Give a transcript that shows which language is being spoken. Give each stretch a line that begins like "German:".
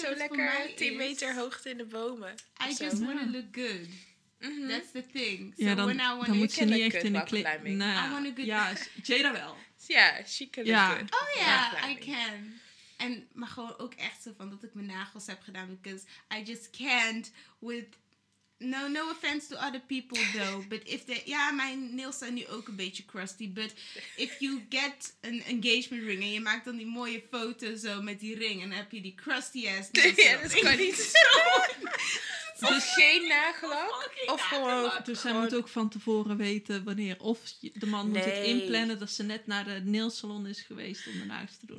Dutch: zo lekker 10 meter hoogte in de bomen.
English: I just want to look good. Mm-hmm. That's the thing.
Dutch: So ja, dan moet je niet echt in de klim.
English: Nah. I want a good...
Dutch: Ja, Jada wel.
English: Ja, she can look good. Oh ja, yeah, I can.
Dutch: En maar gewoon ook echt zo van dat ik mijn nagels heb gedaan.
English: Because I just can't with... No offense to other people though. But if they...
Dutch: Ja, mijn nails zijn nu ook een beetje crusty.
English: But if you get an engagement ring
Dutch: en je maakt dan die mooie foto zo met die ring. En dan heb je die crusty ass nails. Ja, dat kan niet zo. Dus geen nagellak? Of gewoon... Dus zij moet ook van tevoren weten wanneer. Of de man moet het inplannen dat ze net naar de nailsalon is geweest om de nagels te doen.